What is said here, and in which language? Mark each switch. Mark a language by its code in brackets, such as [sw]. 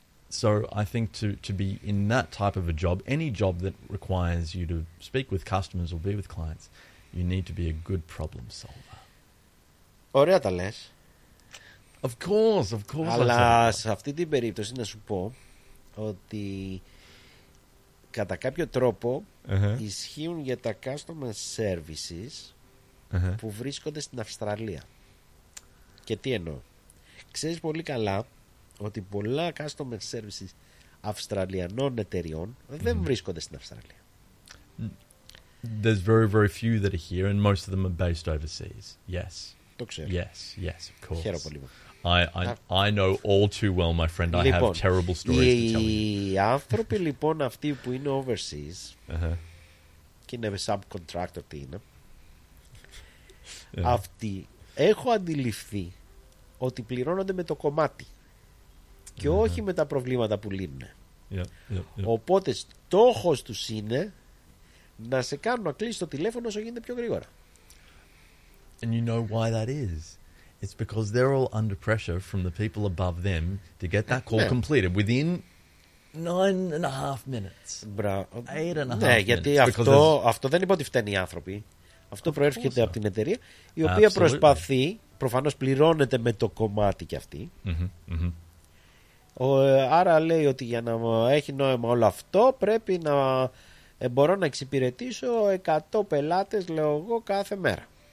[en] So I think to be in that type of a job, any job that requires you to speak with customers or be with clients, you need to be a good problem solver. [el] Ωραία τα λες. [en] Of course. [el] Αλλά σε αυτή την περίπτωση να σου πω ότι κατά κάποιο τρόπο ισχύουν για τα customer services που βρίσκονται στην Αυστραλία. Και τι εννοώ. Ξέρεις πολύ καλά ότι πολλά customer services Αυστραλιανών εταιριών δεν βρίσκονται στην Αυστραλία. [en] There's very, very few that are here and most of them are based overseas. Yes. [el] Το ξέρω. [en] Yes, of course. [el] Χαίρομαι πολύ. [en] I know all too well, my friend. I [el] λοιπόν, [en] have terrible stories to tell you. [el] Οι άνθρωποι λοιπόν αυτοί που είναι overseas και είναι subcontractor, τι είναι, αυτοί έχω αντιληφθεί ότι πληρώνονται με το κομμάτι και όχι με τα προβλήματα που λύνουν. [en] Yeah. [el] Οπότε στόχος τους είναι να σε κάνουν να κλείσεις το τηλέφωνο όσο γίνεται πιο γρήγορα. [en] And you know why that is. It's because they're all under pressure from the people above them to get that call completed within 9.5 minutes. [el] Μπράβο. [en] 8.5 minutes. [el] Ναι, γιατί αυτό δεν είπα ότι φταίνει οι άνθρωποι. Αυτό προέρχεται από την εταιρεία η οποία προσπαθεί, προφανώς πληρώνεται με το κομμάτι κι αυτή. Άρα λέει ότι για να έχει νόημα όλο αυτό πρέπει να μπορώ να εξυπηρετήσω 100 πελάτες, λέω εγώ, κάθε μέρα.